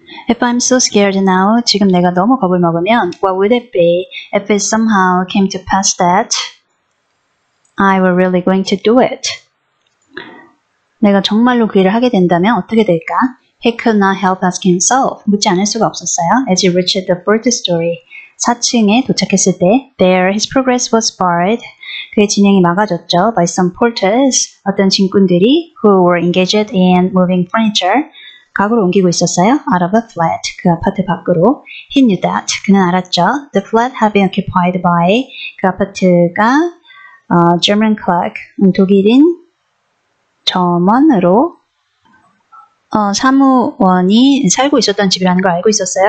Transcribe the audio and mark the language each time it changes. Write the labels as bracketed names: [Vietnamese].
[English] If I'm so scared now, [Korean] 지금 내가 너무 겁을 먹으면 [English] what would it be if it somehow came to pass that I were really going to do it? [Korean] 내가 정말로 그 일을 하게 된다면 어떻게 될까? [English] He could not help asking himself. [Korean] 묻지 않을 수가 없었어요. [English] As he reached the fourth story, [Korean] 4층에 도착했을 때 [English] there his progress was barred. [Korean] 그의 진행이 막아졌죠. [English] By some porters, [Korean] 어떤 짐꾼들이 [English] who were engaged in moving furniture. [Korean] 가구를 옮기고 있었어요. [English] Out of a flat. [Korean] 그 아파트 밖으로. [English] He knew that. [Korean] 그는 알았죠. [English] The flat had been occupied by [Korean] 그 아파트가 [English] German clerk. [Korean] 독일인 점원으로 사무원이 살고 있었던 집이라는 걸 알고 있었어요.